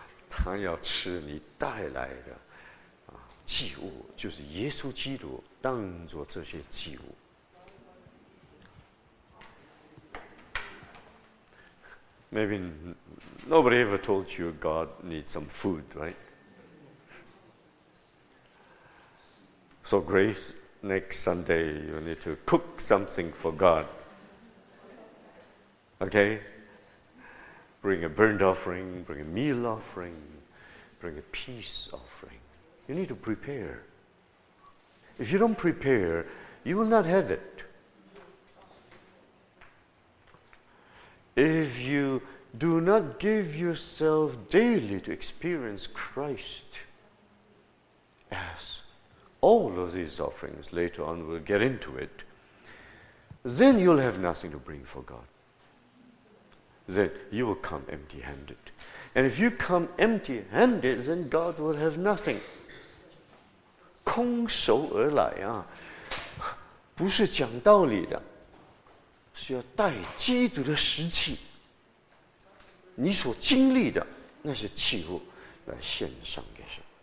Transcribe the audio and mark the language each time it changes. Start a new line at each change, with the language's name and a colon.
Chinese: 他要吃你带来的祭物，就是耶稣基督当作这些祭物。
English: Maybe nobody ever told you God needs some food, right? So grace, next Sunday, you need to cook something for God. Okay? Bring a burnt offering, bring a meal offering, bring a peace offering. You need to prepare. If you don't prepare, you will not have it. If you do not give yourself daily to experience Christ, as all of these offerings later on will get into it, then you'll have nothing to bring for God. Then you will come empty-handed. And if you come empty-handed, then God will have nothing.
Chinese: 空手而来啊, 不是讲道理的, 是要带基督的实际, 你所经历的, 那些器物, 来献上给神。